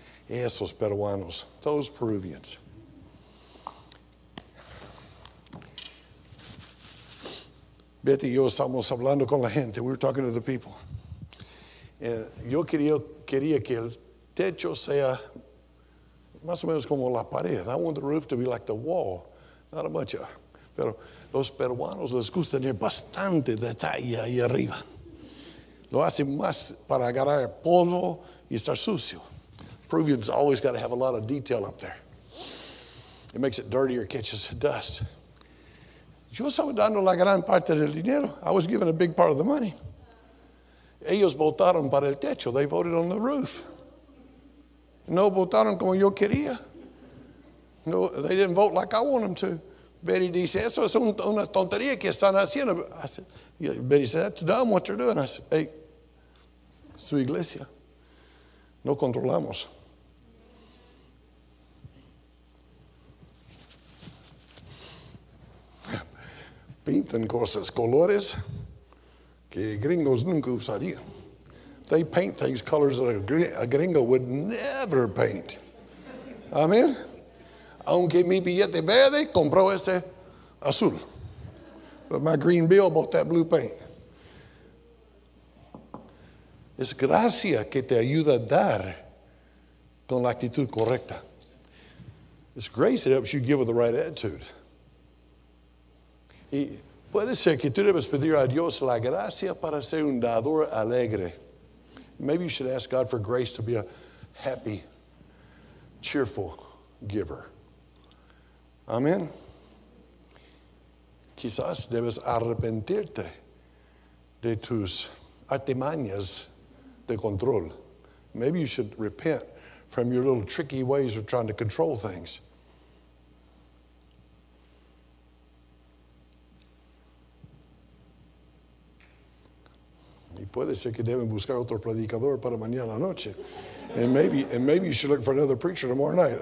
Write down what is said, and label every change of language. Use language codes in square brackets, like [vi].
[es] Esos peruanos, [en] those Peruvians. [es] Betty y yo estamos hablando con la gente. [en] We were talking to the people. [es] Yo quería que el techo sea más o menos como la pared. [en] I want the roof to be like the wall, not a bunch of. [es] Pero los peruanos les gusta tener bastante detalle ahí arriba. Lo hacen más para agarrar polvo y estar sucio. [en] Peruvians always got to have a lot of detail up there. It makes it dirtier, catches dust. [es] Yo estaba dando la gran parte del dinero. [en] I was given a big part of the money. [es] Ellos votaron para el techo. [en] They voted on the roof. [es] No votaron como yo quería. [en] No, they didn't vote like I want them to. [es] Betty dice, eso es una tontería que están haciendo. [en] I said, Betty said, that's dumb what they're doing. I said, hey, [es] su iglesia. No controlamos. Pintan cosas, colores. Que gringos nunca usarían. [en] They paint things colors that a gringo would never paint. [es] Amen. Aunque mi billete verde compró ese azul. [en] but my green bill bought that blue paint. [es] Es gracia que te ayuda a dar con la actitud correcta. [en] It's grace that helps you give with the right attitude. [es] Y puede ser que tú debes pedir a Dios la gracia para ser un dador alegre. [en] Maybe you should ask God for grace to be a happy, cheerful giver. Amen. [es] Quizás debes arrepentirte de tus artimañas de control. [en] Maybe you should repent from your little tricky ways of trying to control things. [es] Y puede ser que deben buscar otro predicador para mañana noche. [en] And maybe you should look for another preacher tomorrow night.